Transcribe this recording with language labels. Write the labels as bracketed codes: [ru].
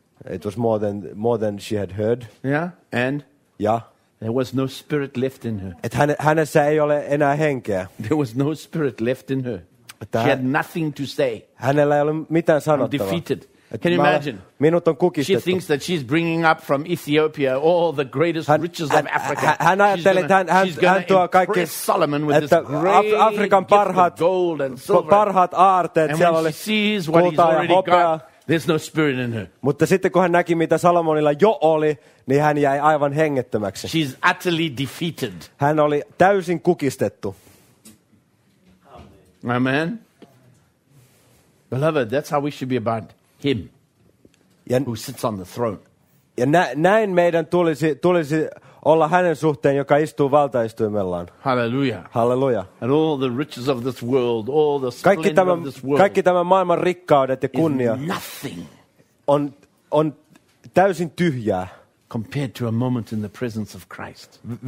[en] It was more than she had heard. Yeah, and yeah, there was no spirit left in her. [fi] Et hänessä ei ole enää henkeä. [en] There was no spirit left in her. She had nothing to say. [fi] Hänellä ei ole mitään sanottavaa. [en] Defeated. Can you imagine? [fi] Minut on kukistettu. [en] She thinks that she's bringing up from Ethiopia all the greatest riches of Africa. [fi] Hän ajatteli, että hän tuo kaikki [en] Solomon with this great [fi] Afrikan parhaat [en] gold and silver. [fi] Parhaat aarteet. [en] And when she sees what he's already got, there's no spirit in her. [fi] Mutta sitten kun hän näki, mitä Salomonilla jo oli, niin hän jäi aivan hengettömäksi. [en] She's utterly defeated. [fi] Hän oli täysin kukistettu. Amen. [en] Beloved, that's how we should be about him who sits on the throne. [fi] Ja näin meidän tulisi olla hänen suhteen, joka istuu valtaistuimellaan. Hallelujah. Hallelujah. [en] And all the riches of this world, all the splendor of this world. [fi] Kaikki tämä maailman rikkaudet ja kunnia. [en] Nothing. [fi] On täysin tyhjää. [en] Compared to a moment in the presence of Christ.